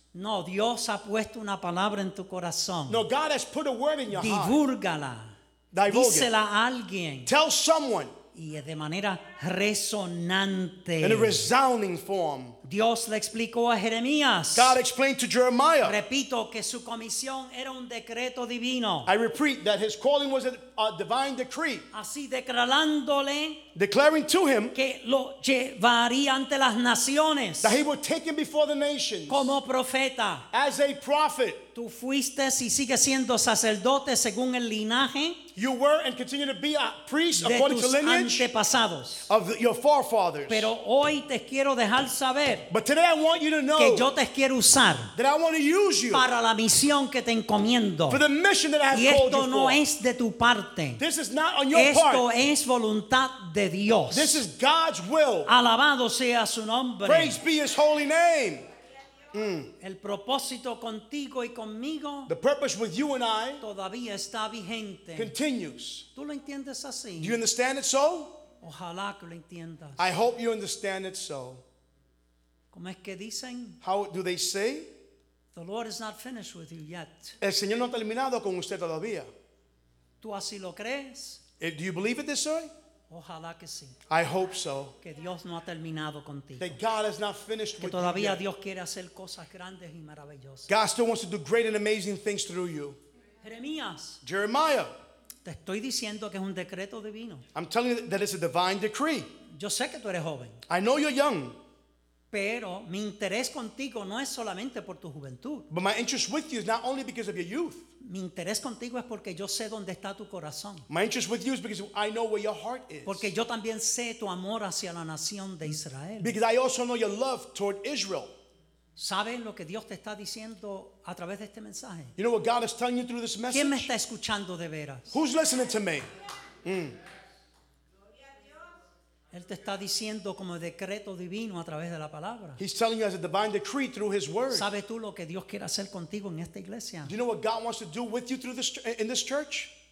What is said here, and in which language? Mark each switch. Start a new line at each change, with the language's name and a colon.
Spanish: No, Dios ha puesto una palabra en tu corazón.
English: No, God has put a word in your
Spanish: divúrgala.
English: Heart.
Spanish: Divúrgala. Dísela a alguien.
English: Tell someone.
Spanish: Y de manera resonante.
English: In a resounding form.
Spanish: Dios le explicó a Jeremías.
English: God explained to Jeremiah.
Spanish: Repito que su comisión era un decreto divino.
English: I repeat that his calling was a divine decree.
Spanish: Así declarándole.
English: Declaring to him.
Spanish: Que lo llevaría ante las naciones.
English: That he would take him before the nations.
Spanish: Como profeta.
English: As a prophet.
Spanish: Tú fuiste y sigues siendo sacerdote según el linaje.
English: You were and continue to be a priest according to lineage.
Spanish: De tus antepasados.
English: Of your forefathers.
Spanish: Pero hoy te quiero dejar saber.
English: But today I want you to know
Spanish: que yo te quiero usar
English: that I want to use you
Spanish: para la misión que te encomiendo.
English: For the mission that I have called
Spanish: no
English: you for.
Spanish: Y esto no es de tu parte.
English: This is not on your
Spanish: esto
English: part.
Spanish: Esto es voluntad de Dios.
English: This is God's will.
Spanish: Alabado sea su nombre.
English: Praise be his holy name.
Spanish: El propósito contigo y conmigo
English: the purpose with you and I
Spanish: todavía está vigente.
English: Continues.
Spanish: ¿Tú lo entiendes así?
English: Do you understand it so?
Spanish: Ojalá que lo entiendas.
English: I hope you understand it so.
Spanish: ¿Cómo es que dicen?
English: How do they say? The Lord is not finished with you yet.
Spanish: El Señor no ha terminado con usted todavía. ¿Tú así lo crees?
English: Do you believe it this way?
Spanish: Ojalá que sí.
English: I hope so.
Spanish: Que Dios no ha terminado contigo.
English: That God has not finished
Spanish: que
English: with
Spanish: todavía todavía Dios quiere hacer cosas grandes y maravillosas.
English: God still wants to do great and amazing things through you.
Spanish: Jeremías.
English: Jeremiah.
Spanish: Te estoy diciendo que es un decreto divino.
English: I'm telling you that it's a divine decree.
Spanish: Yo sé que tú eres joven.
English: I know you're young.
Spanish: Pero mi interés contigo no es solamente por tu juventud.
English: But my interest with you is not only because of your youth.
Spanish: Mi interés contigo es porque yo sé dónde está tu corazón.
English: My interest with you is because I know where your heart is.
Spanish: Porque yo también sé tu amor hacia la nación de Israel.
English: Because I also know your love toward Israel.
Spanish: ¿Sabes lo que Dios te está diciendo a través de este mensaje?
English: You know what God is telling you through this message?
Spanish: ¿Quién me está escuchando de veras?
English: Who's listening to me?
Spanish: Él te está diciendo como decreto divino a través de la palabra.
English: He's telling you as a divine decree through his word.
Spanish: ¿Sabes tú lo que Dios quiere hacer contigo en esta iglesia?
English: Do you know what God wants to do with you through this in this church?